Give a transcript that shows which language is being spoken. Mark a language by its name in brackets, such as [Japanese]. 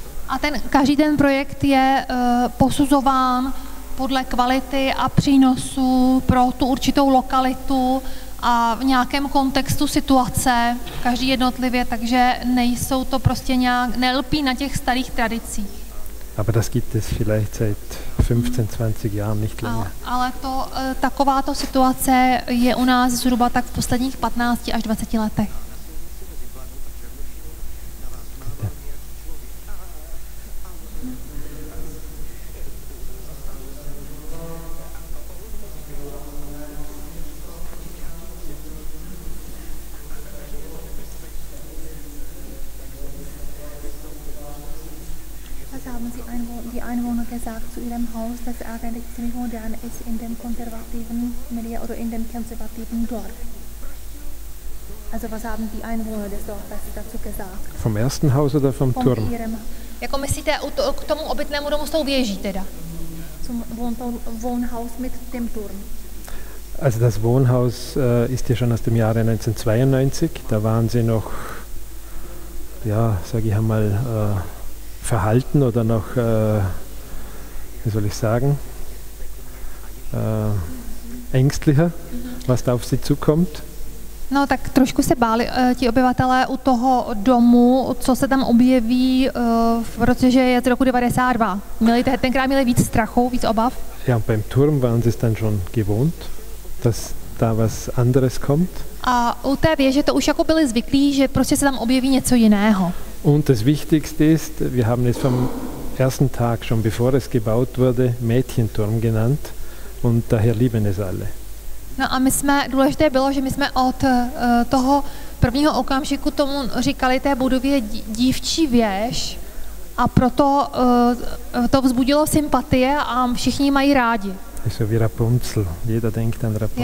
[Czech] A ten každý ten projekt je posuzován podle kvality a přínosu pro tu určitou lokalitu a v nějakém kontextu situace, každý jednotlivě, takže nejsou to prostě nějak, nelpí na těch starých tradicích. [German] Aber das gibt es vielleicht seit 15-20 Jahren, nicht länger. [Czech] Ale to, takováto situace je u nás zhruba tak v posledních 15 až 20 letech. [German] Sagt zu ihrem Haus, dass er eigentlich ziemlich modern ist in dem konservativen Milieu oder in dem konservativen Dorf. Also was haben die Einwohner des Dorfes dazu gesagt? Vom ersten Haus oder vom Turm? [Czech] Jako myslíte k tomu obytnému domu s tou věží teda? [German] Zum Wohnhaus mit dem Turm. Also das Wohnhaus ist ja schon aus dem Jahre 1992. Da waren sie noch, ja, sage ich mal, verhalten oder noch wie soll ich sagen, ängstlicher, was da auf sie zukommt. [Czech] No, tak trošku se báli ti obyvatelé u toho domu, co se tam objeví v roce, že je z roku 92. Měli tenkrát měli víc strachu, víc obav? [German] Ja, beim Turm waren sie es dann schon gewohnt, dass da was anderes kommt. [Czech] A u té věže to už jako byli zvyklí, že prostě se tam objeví něco jiného. [German] Und das Wichtigste ist, wir haben es vom ersten Tag schon bevor es gebaut wurde Mädchenturm genannt und daher lieben es alle. [Czech] No a my jsme, důležité bylo, že my jsme od toho prvního okamžiku tomu říkali té budově dívčí věž a proto to vzbudilo sympatie a všichni mají rádi. [German] Also wie Rapunzel. Jeder denkt an Rapunzel.